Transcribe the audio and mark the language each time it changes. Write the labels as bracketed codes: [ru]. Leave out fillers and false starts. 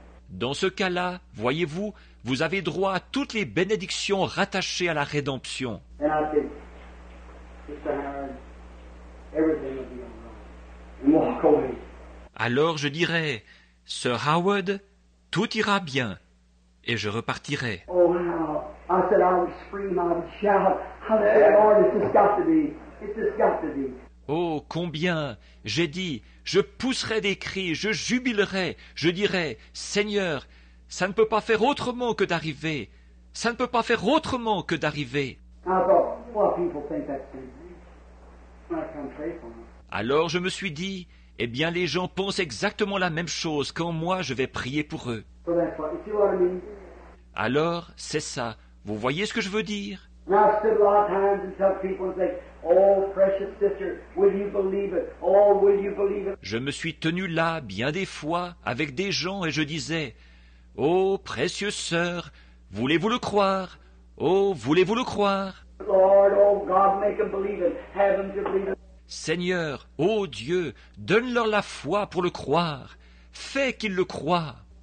[fr] Dans ce cas-là, voyez-vous, vous avez droit à toutes les bénédictions rattachées à la rédemption. [en] And I said, Mr. Howard, everything will be all right. And walk away. [fr] Alors je dirais, Sir Howard, tout ira bien, et je repartirai. [en] Oh, wow. I said I would scream, I would shout. I said, Lord, it's just got to be. It's just got to be. [fr] Oh, combien, j'ai dit, je pousserai des cris, je jubilerai, je dirai, Seigneur, ça ne peut pas faire autrement que d'arriver. Ça ne peut pas faire autrement que d'arriver. [en] I thought, what people think that's going to be. I'm not going to pray for me. [fr] Alors je me suis dit, eh bien, les gens pensent exactement la même chose quand moi je vais prier pour eux. [en] So that's what I mean. [fr] Alors, c'est ça. Vous voyez ce que je veux dire? [en] Now, I've stood a lot of times and tell people and say, oh, precious sister, will you believe it? Oh, will you believe it? [fr] Je me suis tenu là bien des fois avec des gens et je disais, oh, précieuse sœur, voulez-vous le croire? Oh, voulez-vous le croire? [en] Lord, oh God, make them believe it. Have them to believe it. [fr] Seigneur, ô Dieu, donne-leur la foi pour le croire. Fais qu'ils le croient.